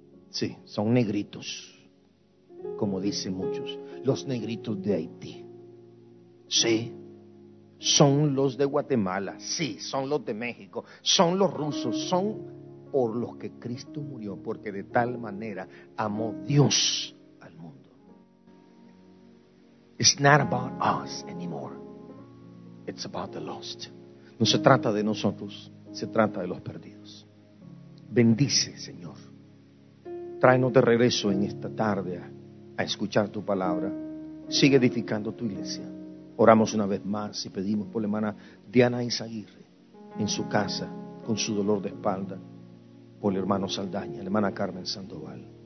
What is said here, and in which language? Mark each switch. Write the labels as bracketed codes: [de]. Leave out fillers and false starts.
[es] Sí, son negritos, como dicen muchos, los negritos de Haití. Sí. Son los de Guatemala, sí, son los de México, son los rusos, son por los que Cristo murió, porque de tal manera amó Dios al mundo. [en] It's not about us anymore, it's about the lost. [es] No se trata de nosotros, se trata de los perdidos. Bendice, Señor. Tráenos de regreso en esta tarde a escuchar tu palabra. Sigue edificando tu iglesia. Oramos una vez más y pedimos por la hermana Diana Izaguirre en su casa con su dolor de espalda, por el hermano Saldaña, la hermana Carmen Sandoval.